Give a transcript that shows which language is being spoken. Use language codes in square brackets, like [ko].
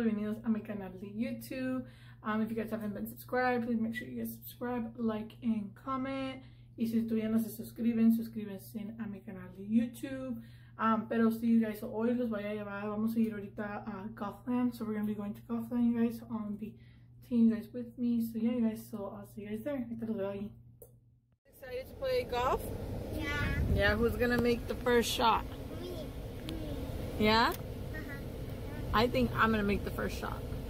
[es] Bienvenidos a mi canal de YouTube. [en] If you guys haven't been subscribed, please make sure you guys subscribe, like, and comment. [es] Y si todavía no se suscriben, suscríbanse a mi canal de YouTube. Pero si [en] you guys, [es] hoy los voy a llevar, vamos a ir ahorita a Gotham. [en] So we're going to be going to Gotham, you guys, on the team, you guys, with me. So yeah, you guys, so I'll see you guys there. Excited to play golf? Yeah. Yeah, who's going to make the first shot? Me. Yeah? I think I'm gonna make the first shot.